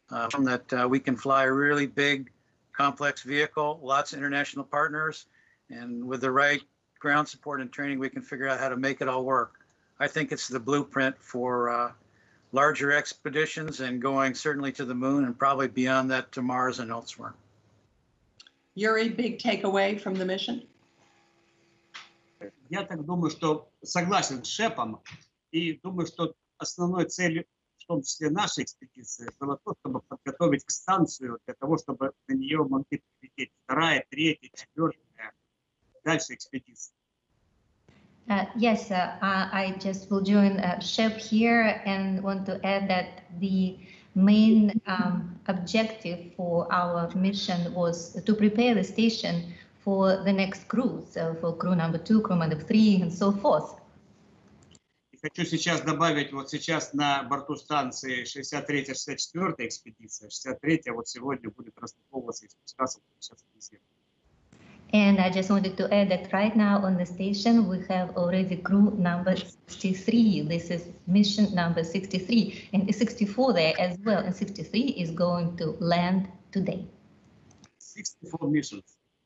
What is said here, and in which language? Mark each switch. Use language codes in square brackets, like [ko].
[en] From that, we can fly a really big, complex vehicle, lots of international partners, and with the right ground support and training, we can figure out how to make it all work. I think it's the blueprint for larger expeditions and going certainly to the moon and probably beyond that to Mars and elsewhere. Yuri, big takeaway from the mission? [ru] Я так думаю, что согласен с Шепом, и думаю, что основной целью, в том числе нашей экспедиции, было то, чтобы подготовить к станцию для того, чтобы на нее могли прилететь вторая, третья, четвертая, дальше экспедиция. [en] I just will join Shep here and want to add that the main objective for our mission was to prepare the station for the next crew, so for crew number 2, crew number 3, and so forth. [ru] И хочу сейчас добавить, вот сейчас на борту станции 63-64 экспедиция, 63-я вот сегодня будет распробоваться и спускаться сейчас на Землю. [en] And I just wanted to add that right now on the station, we have already crew number 63. This is mission number 63 and 64 there as well. And 63 is going to land today. 64 missions.